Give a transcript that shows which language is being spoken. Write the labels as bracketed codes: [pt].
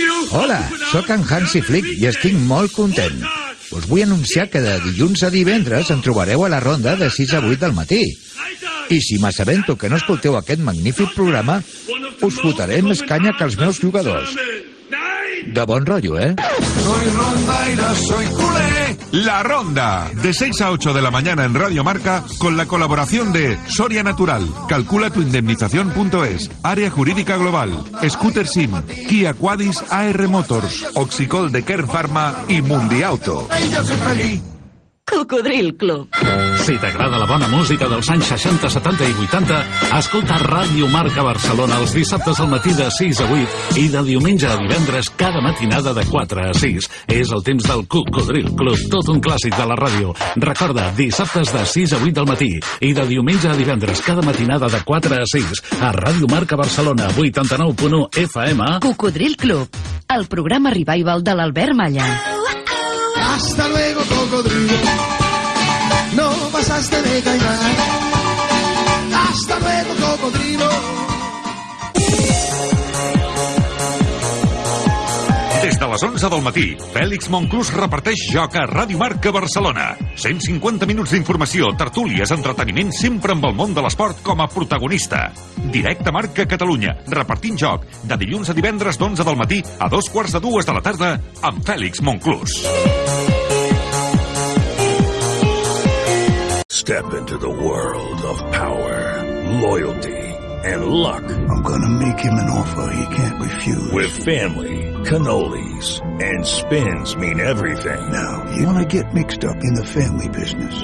[ca] Hola, sóc en Hansi Flick i estic molt content. Us vull anunciar que de dilluns a divendres em trobareu a la ronda de 6 a 8 del matí. I si m'assabento que no escolteu aquest magnífic programa, us fotaré més canya que els meus jugadors. De bon rotllo, eh? [es] Soy rondaira, soy culé. La ronda, de 6 a 8 de la mañana en Radio Marca, con la colaboración de Soria Natural, calculatuindemnización.es, Área Jurídica Global, Scooter Sim, Kia Quadis AR Motors, Oxicol de Kern Pharma y Mundiauto. Cocodril Club. [ca] Si t'agrada la bona música dels anys 60, 70 i 80, escolta Ràdio Marca Barcelona els dissabtes al matí de 6 a 8 i de diumenge a divendres cada matinada de 4 a 6. És el temps del Cocodril Club, tot un clàssic de la ràdio. Recorda, dissabtes de 6 a 8 del matí i de diumenge a divendres cada matinada de 4 a 6 a Ràdio Marca Barcelona 89.1 FM. Cocodril Club, el programa revival de l'Albert Malla. [es] Hasta luego, cocodrilo, no pasaste de caimán. Hasta luego, cocodrilo. [ca] Des de les 11 del matí, Fèlix Monclús reparteix joc a Ràdio Marca Barcelona. 150 minuts d'informació, tertúlies, entreteniment, sempre amb el món de l'esport com a protagonista. Directe a Marca Catalunya, repartint joc, de dilluns a divendres d'11 del matí a 2:15 de la tarda, amb Fèlix Monclús. [en] Step into the world of power, loyalty, and luck. I'm gonna make him an offer he can't refuse. With family, cannolis, and spins mean everything. Now, you wanna get mixed up in the family business.